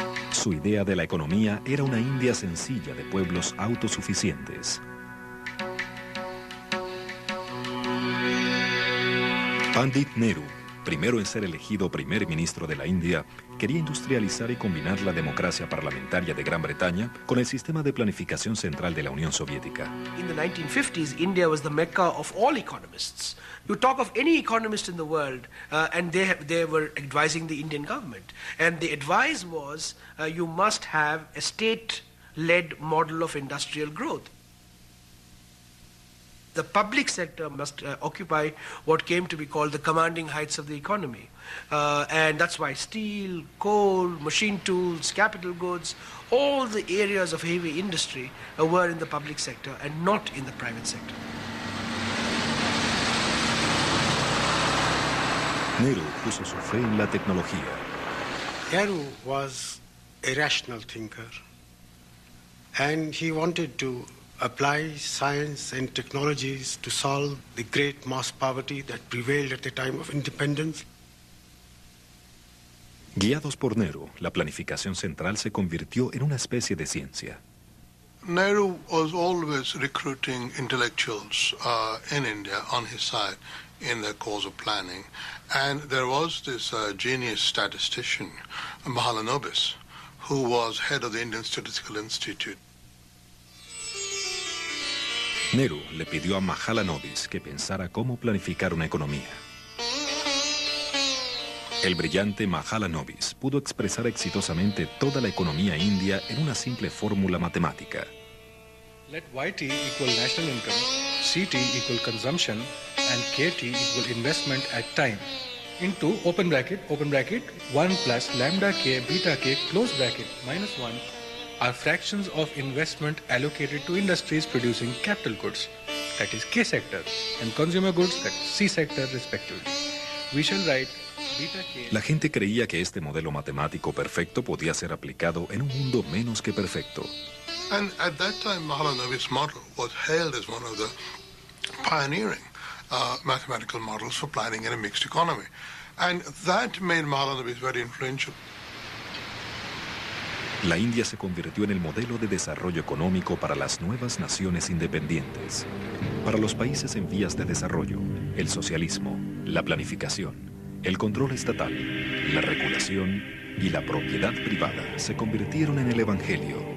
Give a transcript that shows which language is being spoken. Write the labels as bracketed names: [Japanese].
[Spanish] Su idea de la economía era una India sencilla de pueblos autosuficientes. Pandit Nehru, primero en ser elegido primer ministro de la India, quería industrializar y combinar la democracia parlamentaria de Gran Bretaña con el sistema de planificación central de la Unión Soviética. [English] In the 1950s, India was the mecca of all economists. You talk of any economist in the world, and they were advising the Indian government. And the advice was, you must have a state-led model of industrial growth. The public sector must occupy what came to be called the commanding heights of the economy. And that's why steel, coal, machine tools, capital goods, all the areas of heavy industry were in the public sector and not in the private sector. [Spanish] Nehru puso su fe en la tecnología. [English] Nehru was a rational thinker, and he wanted to apply science and technologies to solve the great mass poverty that prevailed at the time of independence. [Spanish] Guiados por Nehru, la planificación central se convirtió en una especie de ciencia. [English] Nehru was always recruiting intellectuals in India on his side in the cause of planning. And there was this genius statistician, Mahalanobis, who was head of the Indian Statistical Institute. [Spanish] Nehru le pidió a Mahalanobis que pensara cómo planificar una economía. El brillante Mahalanobis pudo expresar exitosamente toda la economía india en una simple fórmula matemática. [English] Let YT equal national income, CT equal consumption, and KT equal investment at time, into open bracket, 1 plus lambda K beta K, close bracket, minus 1, are fractions of investment allocated to industries producing capital goods, that is K sector, and consumer goods, that is C sector, respectively. We shall write beta K. [Spanish] La gente creía que este modelo matemático perfecto podía ser aplicado en un mundo menos que perfecto. [English] And at that time, Mahalanobis' model was hailed as one of the pioneering mathematical models for planning in a mixed economy. And that made Mahalanobis very influential. [Spanish] La India se convirtió en el modelo de desarrollo económico para las nuevas naciones independientes. Para los países en vías de desarrollo, el socialismo, la planificación, el control estatal, la regulación y la propiedad privada se convirtieron en el evangelio.